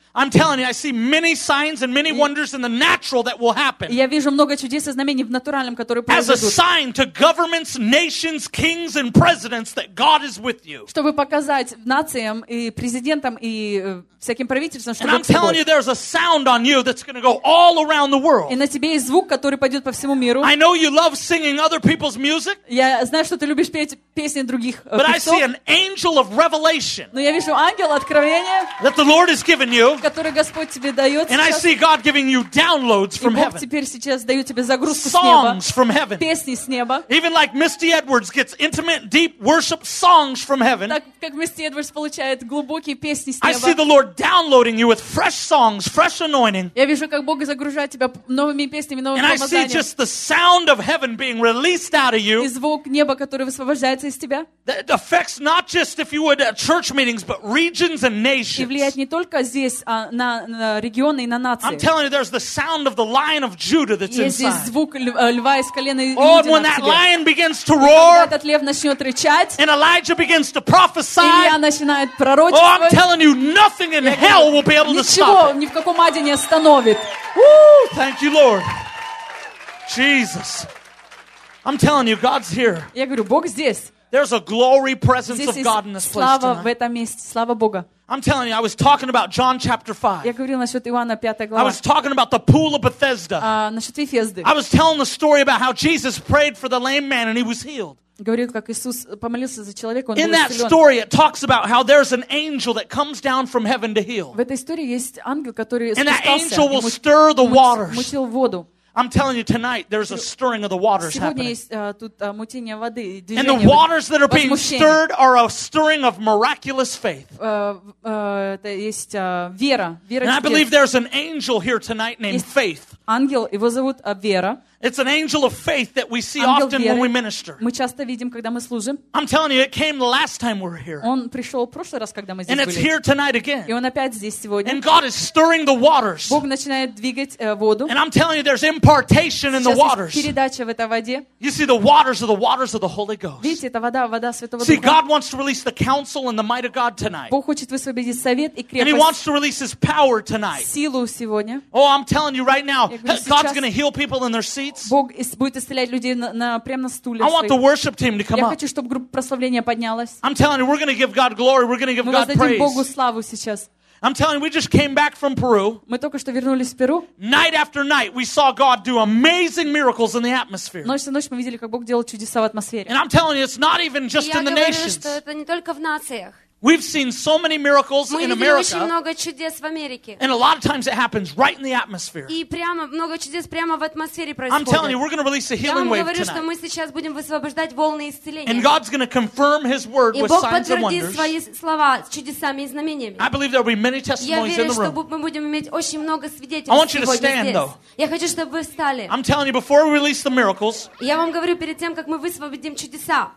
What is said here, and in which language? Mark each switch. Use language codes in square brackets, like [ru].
[en] I'm telling you, I see many signs and many wonders in the natural that will happen. [ru] Я вижу много чудес и знамений в натуральном, которые произойдут. [en] As a sign to governments, nations, kings, and presidents that God is with you. [ru] Чтобы показать нациям и президентам и всяким правительствам, что [en] And I'm telling you, there's a sound on you that's going to go all around the world. [ru] И на тебе есть звук, который пойдет по всему миру. [en] I know you love singing other people's music. [ru] Я знаю, что ты любишь петь песни других певцов. [en] But I see an angel of revelation. [ru] Но я вижу ангела откровения. [en] That the Lord has given you. [ru] Который Господь тебе дает [en] And [ru] сейчас. [en] I see God giving you downloads from heaven. [ru] И Бог теперь сейчас дает тебе загрузку [en] songs [ru] с неба. [en] From heaven. [ru] Песни с неба. [en] Even like Misty Edwards gets intimate, deep worship songs from heaven. [ru] Так как Misty Edwards получает глубокие песни с неба. [en] I see the Lord downloading you with fresh songs, fresh anointing. [ru] Я вижу, как Бог загружает тебя новыми песнями, новым [en] And [ru] помазанием. [en] And I see just the sound of heaven being released out of you. [ru] И звук неба, который высвобождает выбивается из тебя. [en] It affects not just if you would church meetings, but regions and nations. [ru] И влияет не только здесь, а на регионы и на нации. [en] I'm telling you, there's the sound of the Lion of Judah that's inside. [ru] Есть здесь звук льва из колена Иуды. [en] Oh, when that lion begins to roar, [ru] когда этот лев начнет рычать, [en] and Elijah begins to prophesy, [ru] Илия начинает пророчить. [en] Oh, I'm telling you, nothing in hell will be able to stop. [ru] Ничего ни в каком аде не остановит. [en] Woo! Thank you, Lord. Jesus, I'm telling you, God's here. [ru] Я говорю, Бог здесь. [en] There's a glory presence of God in this place tonight. [ru] Здесь есть слава в этом месте, слава Бога. [en] I'm telling you, I was talking about John chapter 5. [ru] Я говорил насчет Иоанна 5 глава. [en] I was talking about the pool of Bethesda. [ru] Насчет Вифезды. [en] I was telling the story about how Jesus prayed for the lame man and he was healed. [ru] Говорит, как Иисус помолился за человека, он был исцелен. [en] In that story, it talks about how there's an angel that comes down from heaven to heal. [ru] В этой истории есть ангел, который спускался. [en] And that angel will stir the waters. [ru] Мутил воду. [en] I'm telling you tonight, there's a stirring of the waters happening. [ru] Сегодня есть тут мутение воды, движение. [en] And the waters that are being stirred are a stirring of miraculous faith. [ru] Это есть вера. [en] And I believe there's an angel here tonight named Faith. [ru] Ангел, его зовут Вера. [en] It's an angel of faith that we see often when we minister. [ru] Мы часто видим, когда мы служим. [en] I'm telling you, it came the last time we were here. [ru] Он пришел в прошлый раз, когда мы здесь были. [en] And it's here tonight again. [ru] И он опять здесь сегодня. [en] And God is stirring the waters. [ru] Бог начинает двигать воду. [en] And I'm telling you, there's impartation in the waters. [ru] Сейчас есть передача в этой воде. [en] You see, the waters are the waters of the Holy Ghost. [ru] Видите, это вода, вода Святого Духа. [en] See, God wants to release the counsel and the might of God tonight. [ru] Бог хочет высвободить совет и крепость. [en] And He wants to release His power tonight. [ru] Силу сегодня. [en] Oh, I'm telling you right now, God's going to heal people in their seats. [ru] Бог будет исцелять людей прямо на стуле. [en] I want the worship team to come up. [ru] Я хочу, чтобы группа прославления поднялась. [en] I'm telling you, we're going to give God glory. We're going to give God praise. [ru] Мы воздадим Богу славу сейчас. [en] I'm telling you, we just came back from Peru. [ru] Мы только что вернулись в Перу. [en] Night after night, we saw God do amazing miracles in the atmosphere. [ru] Ночь за ночью мы видели, как Бог делал чудеса в атмосфере. [en] And I'm telling you, it's not even just in the nations. [ru] Я говорю, что это не только в нациях. [en] We've seen so many miracles [ru] Мы [en] in America. [ru] Очень много чудес в Америке. [en] And a lot of times it happens right in the atmosphere. [ru] И прямо много чудес прямо в атмосфере происходит. [en] I'm telling you, we're going to release a healing wave [ru] говорю, Я говорю, что мы сейчас будем высвобождать волны исцеления. [en] And God's going to confirm His word [ru] и [en] with [ru] Бог [en] signs and wonders. [ru] И Бог подтвердит свои слова чудесами и знамениями. [en] I believe there will be many testimonies [ru] верю, [en] in the room. [ru] Я верю, что мы будем иметь очень много свидетельств. [en] I want you to stand, though. [ru] Я хочу, чтобы вы встали. [en] I'm telling you, before we release the miracles. [ru] Я вам говорю перед тем, как мы высвободим чудеса.